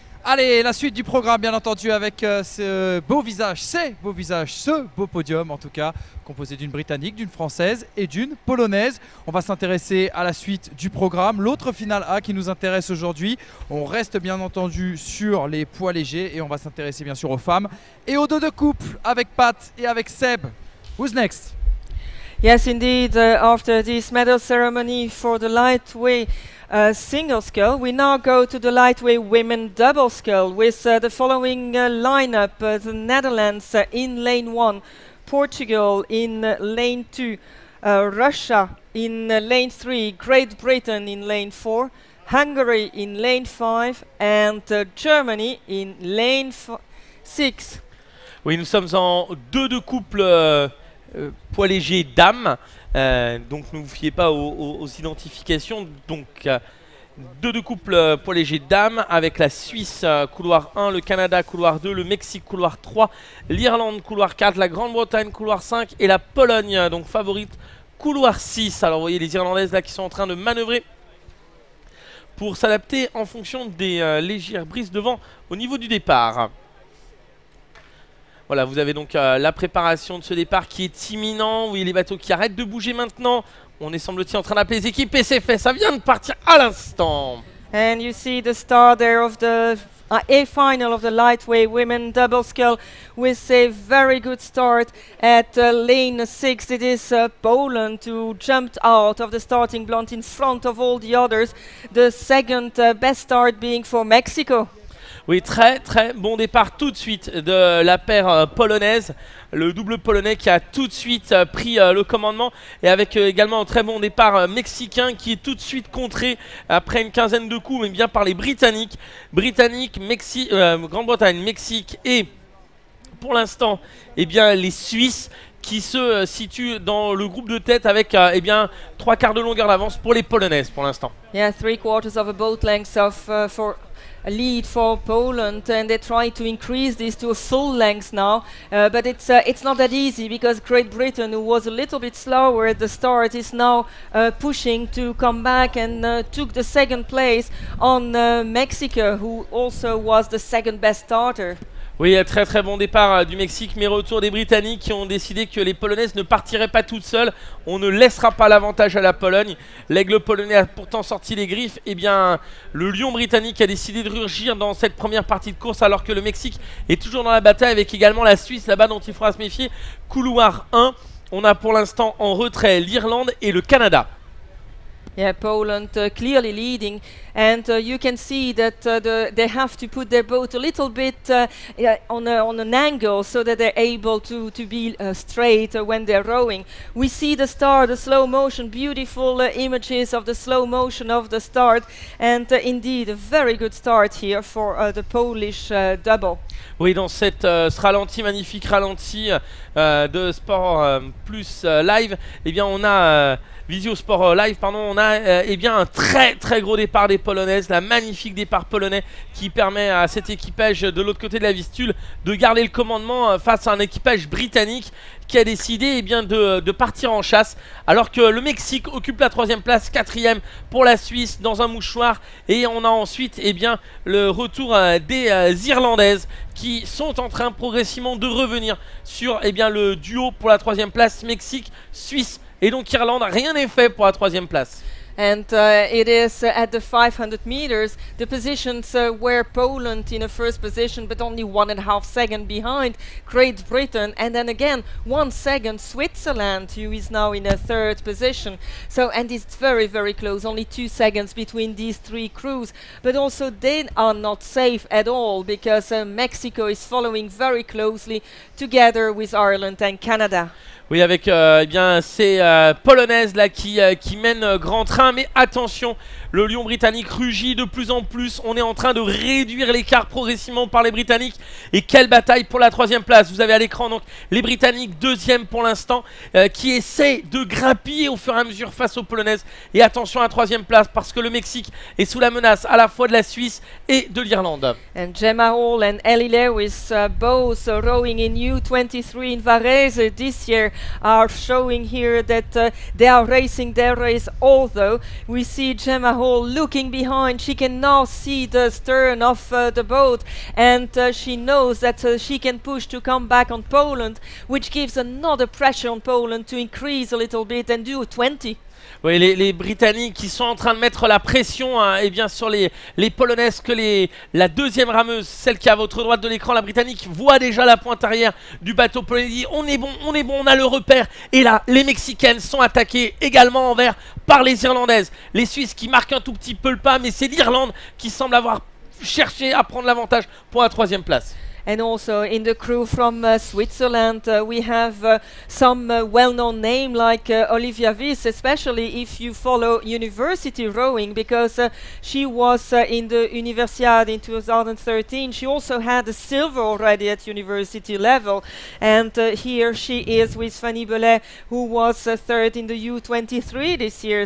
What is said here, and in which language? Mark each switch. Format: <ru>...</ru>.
<fr>Allez, la suite du programme, bien entendu, avec ce beau podium, en tout cas, composé d'une Britannique, d'une Française et d'une Polonaise. On va s'intéresser à la suite du programme, l'autre finale A qui nous intéresse aujourd'hui. On reste, bien entendu, sur les poids légers et on va s'intéresser, bien sûr, aux femmes et aux deux de couple avec Pat et avec Seb.</fr> <en>Who's next? Yes, indeed, after this medal ceremony for the lightweight single scull, we now go to the lightweight women double scull with the following lineup: the Netherlands in lane one, Portugal in lane two, Russia in lane three, Great Britain in lane four, Hungary in lane five, and Germany in lane six.</en> <fr>Oui, nous sommes en deux de couple poids léger dames. Donc ne vous fiez pas aux identifications. Donc deux couples poids léger dames avec la Suisse couloir 1, le Canada couloir 2, le Mexique couloir 3, l'Irlande couloir 4, la Grande-Bretagne couloir 5 et la Pologne donc favorite couloir 6. Alors vous voyez les Irlandaises là qui sont en train de manœuvrer pour s'adapter en fonction des légères brises de vent au niveau du départ. Voilà, vous avez donc la préparation de ce départ qui est imminent. Oui, les bateaux qui arrêtent de bouger maintenant. On est semble-t-il en train d'appeler les équipes et c'est fait. Ça vient de partir à l'instant.</fr> <en>And you see the start there of the A final of the lightweight women double scull with a very good start at lane 6. It is Poland who jumped out of the starting blocks in front of all the others. The second best start being for Mexico.</en> <fr>Oui, très très bon départ tout de suite de la paire polonaise. Le double polonais qui a tout de suite pris le commandement. Et avec également un très bon départ mexicain qui est tout de suite contré après une quinzaine de coups, mais bien par les Britanniques. Britanniques, Grande-Bretagne, Mexique et pour l'instant eh bien, les Suisses qui se situe dans le groupe de tête avec eh bien, trois quarts de longueur d'avance pour les Polonaises pour l'instant.</fr> <en>Yeah, three quarters of a boat length of for a lead for Poland, and they try to increase this to a full length now, but it's not that easy because Great Britain, who was a little bit slower at the start, is now pushing to come back and took the second place on Mexico, who also was the second best starter.</en> <fr>Oui, très très bon départ du Mexique, mais retour des Britanniques qui ont décidé que les Polonaises ne partiraient pas toutes seules. On ne laissera pas l'avantage à la Pologne. L'aigle polonais a pourtant sorti les griffes. Eh bien, le lion britannique a décidé de rugir dans cette première partie de course alors que le Mexique est toujours dans la bataille avec également la Suisse là-bas dont il faudra se méfier. Couloir 1, on a pour l'instant en retrait l'Irlande et le Canada.</fr> <en>Yeah, Poland clearly leading, and you can see that they have to put their boat a little bit on an angle so that they're able to be straight when they're rowing. We see the start, the slow motion, beautiful images of the slow motion of the start, and indeed a very good start here for the Polish double.</en> <fr>Oui, dans cette ce ralenti, magnifique ralenti de sport plus live, eh bien on a Visio Sport Live, pardon, on a eh bien un très très gros départ des Polonaises, la magnifique départ polonais qui permet à cet équipage de l'autre côté de la Vistule de garder le commandement face à un équipage britannique qui a décidé eh bien de partir en chasse alors que le Mexique occupe la troisième place, quatrième pour la Suisse dans un mouchoir, et on a ensuite eh bien le retour des Irlandaises qui sont en train progressivement de revenir sur eh bien le duo pour la troisième place Mexique-Suisse. Et donc Irlande, rien n'est fait pour la troisième place.</fr> <en>And it is at the 500 meters, the positions where Poland in a first position, but only 1.5 seconds behind Great Britain. And then again, 1 second, Switzerland, who is now in a third position. So, and it's very, very close, only 2 seconds between these three crews. But also they are not safe at all, because Mexico is following very closely together with Ireland and Canada.</en> <fr>Oui, avec eh bien ces Polonaises là qui mènent grand train, mais attention, le lion britannique rugit de plus en plus. On est en train de réduire l'écart progressivement par les Britanniques. Et quelle bataille pour la troisième place. Vous avez à l'écran donc les Britanniques, deuxième pour l'instant, qui essaient de grappiller au fur et à mesure face aux Polonaises. Et attention à la troisième place parce que le Mexique est sous la menace à la fois de la Suisse et de l'Irlande.</fr> <en>And Gemma Hall and Ellie Lewis, both rowing in U23 in Varese this year, are showing here that they are racing their race. Although we see Gemma Hall looking behind, she can now see the stern of the boat, and she knows that she can push to come back on Poland, which gives another pressure on Poland to increase a little bit and do 20.</en> <fr>Oui, les Britanniques qui sont en train de mettre la pression hein, eh bien, sur les Polonaises, que la deuxième rameuse, celle qui est à votre droite de l'écran, la Britannique, voit déjà la pointe arrière du bateau polonais. On est bon, on a le repère. Et là, les Mexicaines sont attaquées également en vert par les Irlandaises. Les Suisses qui marquent un tout petit peu le pas, mais c'est l'Irlande qui semble avoir cherché à prendre l'avantage pour la troisième place.</fr> <en>And also in the crew from Switzerland, we have some well-known name like Olivia Wyss, especially if you follow university rowing, because she was in the Universiade in 2013. She also had a silver already at university level. And here she is with Fanny Belay, who was third in the U23 this year.</en>